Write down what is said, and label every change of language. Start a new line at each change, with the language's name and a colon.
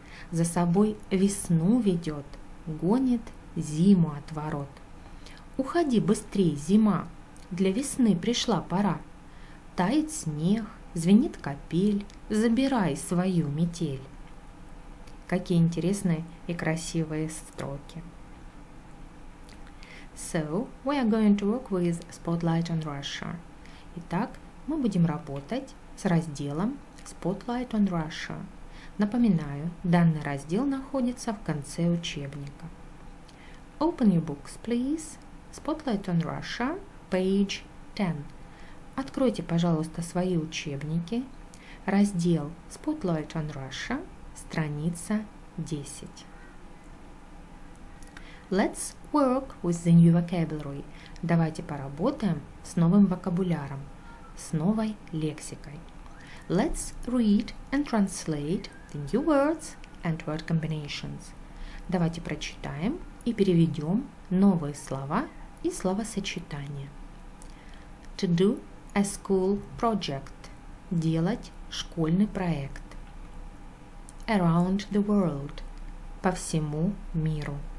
Russian: За собой весну ведет, гонит зиму от ворот. Уходи быстрей, зима, для весны пришла пора. Тает снег, звенит копель, забирай свою метель. Какие интересные и красивые строки.
English: So, we are going to work with Spotlight on Russia.
Russian: Итак, мы будем работать с разделом Spotlight on Russia. Напоминаю, данный раздел находится в конце учебника.
English: Open your books, please. Spotlight on Russia, page 10.
Russian: Откройте, пожалуйста, свои учебники. Раздел Spotlight on Russia, страница 10.
English: Let's work with the new vocabulary.
Russian: Давайте поработаем с новым вокабуляром, с новой лексикой.
English: Let's read and translate the new words and word combinations.
Russian: Давайте прочитаем и переведем новые слова и словосочетания.
English: To do a school project.
Russian: Делать школьный проект.
English: Around the world.
Russian: По всему миру.